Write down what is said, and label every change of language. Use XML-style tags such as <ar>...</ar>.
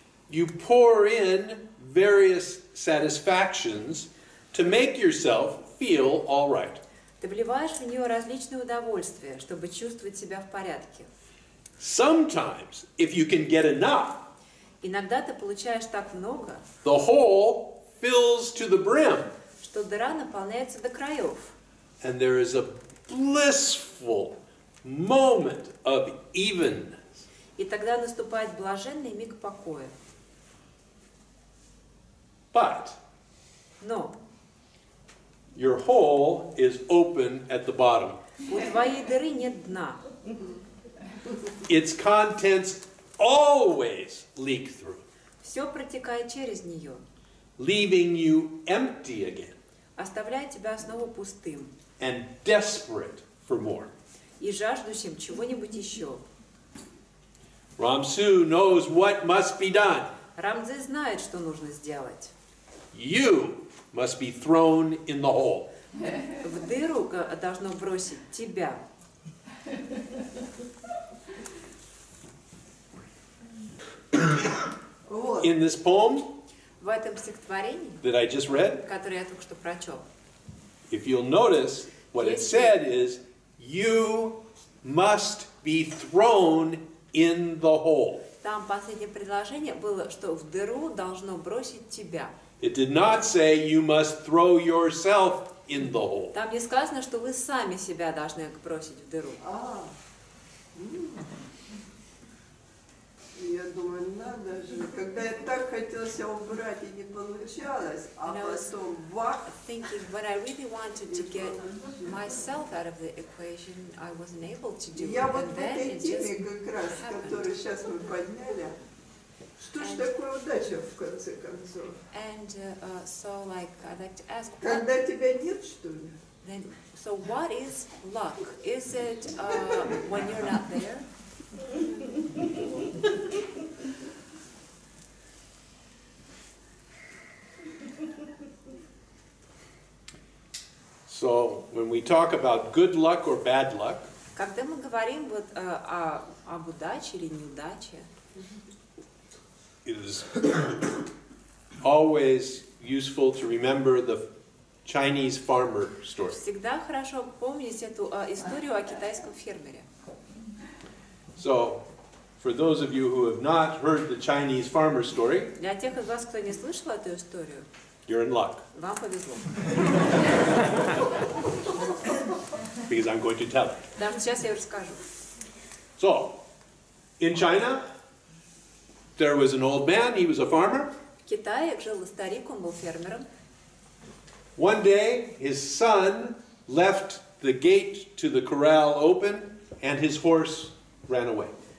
<en>You pour in various satisfactions to make yourself feel all right.</en> <ru>Ты вливаешь в нее различные удовольствия, чтобы чувствовать себя в порядке.</ru> <en>Sometimes, if you can get enough,</en> <ru>иногда ты получаешь так много,</ru> <en>the hole fills to the brim,</en> <ru>что дыра наполняется до краев.</ru> <en>And there is a blissful moment of evenness.</en> <ru>И тогда наступает блаженный миг покоя.</ru> <en>But,</en> <ru>но,</ru> <en>your hole is open at the bottom.</en> <ru>У твоей дыры нет дна.</ru> <en>Its contents always leak through.</en> <ru>Все протекает через нее.</ru> <en>Leaving you empty again.</en> <ru>Оставляя тебя снова пустым.</ru> <en>And desperate for more.</en> <ru>И жаждущим чего-нибудь еще.</ru> <en>Рамсу knows what must be done.</en> <ru>Рамзе знает, что нужно сделать.</ru> <en>You must be thrown in the hole.</en> <ru>В дыру должно бросить тебя.</ru> <en>In this poem,</en> <ru>в этом стихотворении,</ru> <en>that I just read,</en> <ru>которое я только что прочел,</ru> <en>if you'll notice, what it said is, you must be thrown in the hole.</en> <ru>Там последнее предложение было, что в дыру должно бросить тебя.</ru> <en>It did not say you must throw yourself in the hole.</en> <ru>Там не сказано, что вы сами себя должны бросить в дыру. Я думаю, надо же, когда я так хотела себя убрать и не получалось, а потом бах.</ru> <en>Thinking, but I really wanted to get myself out of the equation, I wasn't able to do it.</en> <ru>Я вот в этой теме как раз, которую сейчас мы подняли. Что ж такое удача в конце концов?</ru> <en>And so, like, I'd like to ask.</en> <ru>Когда тебя нет, что ли?</ru> <en>Then, so what is luck? Is it when you're not there? So when we talk about good luck or bad luck.</en> <ru>Когда мы говорим вот об удаче или неудаче.</ru> <en>It is always useful to remember the Chinese farmer story.</en> <ru>Всегда хорошо помнить эту историю о китайском фермере.</ru> <en>So, for those of you who have not heard the Chinese farmer story,</en> <ru>для тех из вас, кто не слышал эту историю,</ru> <en>you're in luck.</en> <ru>Вам повезло.</ru> <en>Because I'm going to tell it.</en> <ru>Да, сейчас я расскажу.</ru> <en>So, in China, there was an old man, he was a farmer.</en> <ru>В Китае жил старик, он был фермером.</ru> <en>One day, his son left the gate to the corral open, and his horse ran away.</en>